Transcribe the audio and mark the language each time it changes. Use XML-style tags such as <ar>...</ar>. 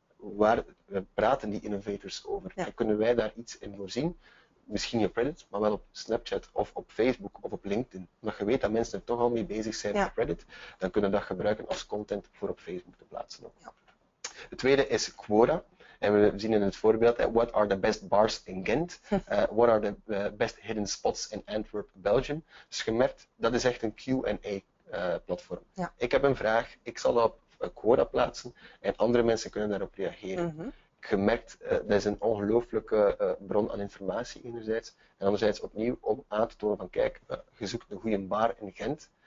<nl>Waar praten die innovators over? Ja. En kunnen wij daar iets in voorzien? Misschien niet op Reddit, maar wel op Snapchat of op Facebook of op LinkedIn. Maar je weet dat mensen er toch al mee bezig zijn op Reddit, dan kunnen we dat gebruiken als content voor op Facebook te plaatsen. Ja. Het tweede is Quora. En we zien in het voorbeeld,</nl> <en>what are the best bars in Ghent? What are the best hidden spots in Antwerp, Belgium?</en> <nl>Dus je merkt, dat is echt een Q&A platform. Ja. Ik heb een vraag, ik zal dat op Quora plaatsen en andere mensen kunnen daarop reageren. Gemerkt, dat is een ongelooflijke bron aan informatie enerzijds. En anderzijds opnieuw om aan te tonen van kijk, je zoekt een goede bar in Gent.</nl>